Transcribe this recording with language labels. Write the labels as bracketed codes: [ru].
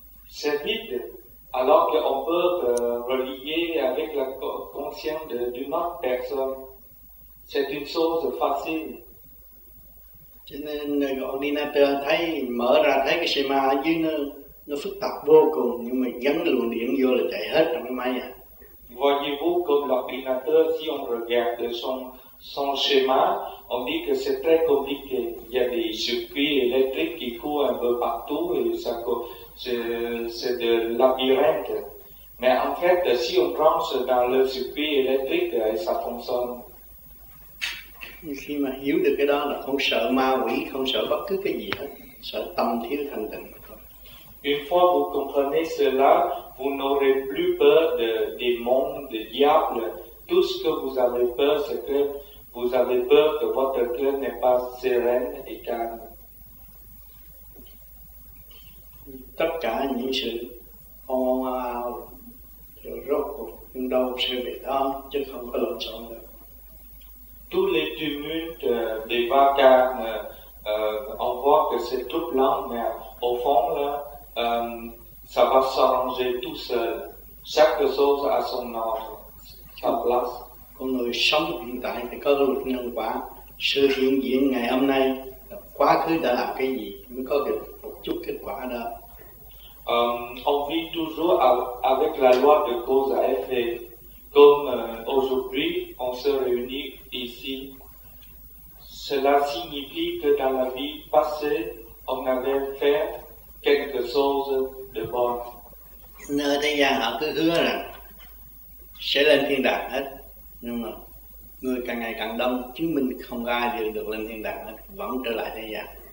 [fr] c'est vide, alors qu'on peut relier avec la conscience d'une autre personne, c'est une chose facile. [vi] Cho nên ordinateur thấy mở ra thấy cái schema ở dưới nó phức tạp vô cùng, nhưng mà dẫn luồng điện vô là chạy hết trong cái máy à. [fr] Voyez-vous comme l'ordinateur, si on regarde son schéma, on dit que c'est très compliqué. Il y a des circuits électriques qui courent un peu partout et ça, c'est de labyrinthe. Mais en fait, si on branche dans le circuit électrique, ça fonctionne. [vi] Khi mà hiểu được cái đó là không sợ ma quỷ, không sợ bất cứ cái gì hết, sợ tâm thiếu thanh tịnh mà thôi. [fr] Une fois vous comprenez cela, vous n'aurez plus peur de démons, de diables. Tout ce que vous avez peur, c'est que vous avez peur que votre cœur n'est pas serein et calme. [vi] Tất cả những sự hoang mang, rốt cuộc cũng đâu sẽ về đó, chứ không có lộn xộn được. [fr] Tous les tumultes des vacarmes, on voit que c'est tout blanc, mais au fond, là, ça va s'arranger tout seul. Chaque chose a son ordre, sa place. [vi] Con người sống hiện tại thì có luật nhân quả. Sự hiện diện ngày hôm nay, quá khứ đã làm cái gì mới có được một chút kết quả đó. [fr] On vit toujours avec la loi de cause à effet. Comme aujourd'hui, on se réunit ici. Cela signifie que dans la vie passée, on avait fait quelque chose de bon. [vi] Nơi thế gian họ cứ hứa rằng sẽ lên thiên đàng hết, nhưng mà người càng ngày càng đông chứng minh không ai đều được lên thiên đàng hết, vẫn trở lại thế gian.